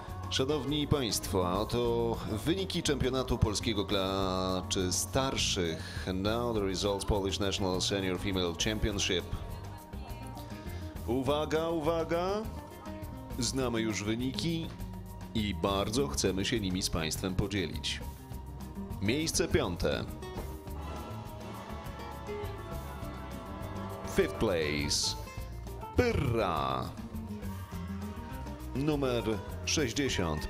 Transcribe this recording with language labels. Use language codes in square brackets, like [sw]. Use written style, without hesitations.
[pl] Szanowni Państwo, a oto wyniki Czempionatu Polskiego Klaczy Starszych. [en] Now the results Polish National Senior Female Championship. [pl] Uwaga, uwaga! Znamy już wyniki i bardzo chcemy się nimi z Państwem podzielić. Miejsce piąte. [en] Fifth place. Pyrra. [pl] Numer 60.